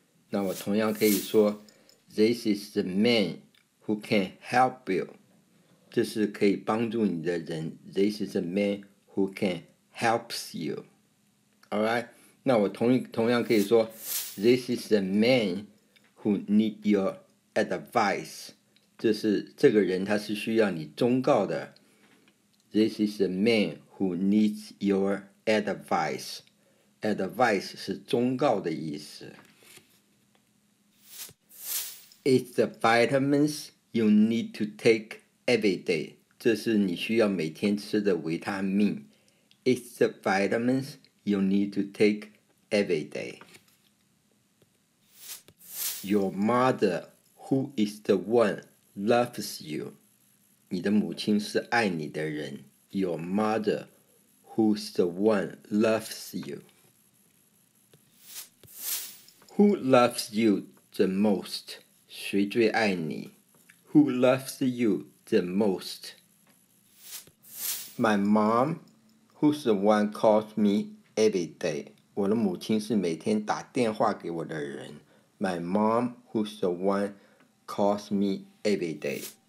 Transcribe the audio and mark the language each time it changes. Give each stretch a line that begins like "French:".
Chinese: 那我同样可以说
English: This is the man who can help you.
Chinese: 这是可以帮助你的人。
English: This is the man who can help you. Alright?
Chinese: 那我同样可以说
English: This is the man who need your advice.
Chinese: 这是这个人他是需要你忠告的。
English: This is the man who needs your advice.
Chinese: Advice 是忠告的意思。
English: It's the vitamins you need to take every day，
Chinese: 这是你需要每天吃的维他命。
English: It's the vitamins you need to take every day. Your mother who is the one loves you，
Chinese: 你的母亲是爱你的人。
English: Your mother who's the one loves youWho loves you the most?
Chinese: 谁最爱你？
English: Who loves you the most? My mom, who's the one calls me every day?
Chinese: 我的母亲是每天打电话给我的人。
English: My mom, who's the one calls me every day?